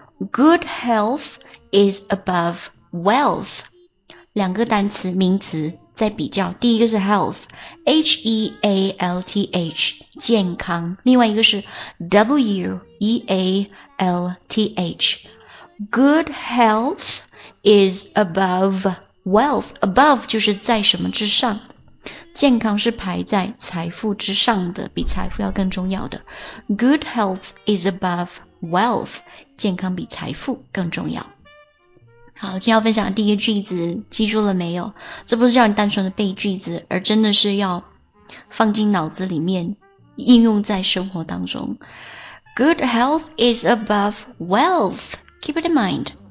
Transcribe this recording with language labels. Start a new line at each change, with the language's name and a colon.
English: Good health is above wealth。
Chinese: 两个单词名词在比较，第一个是 health，H-E-A-L-T-H， 健康；另外一个是 W-E-A-L-T-H。
English: Good health is above wealth， above
Chinese: 就是在什么之上。健康是排在财富之上的，比财富要更重要的。
English: Good health is above wealth，
Chinese: 健康比财富更重要。好，今天要分享的第一个句子，记住了没有？这不是叫你单纯的背句子，而真的是要放进脑子里面，应用在生活当中。
English: Good health is above wealth， keep it in mind。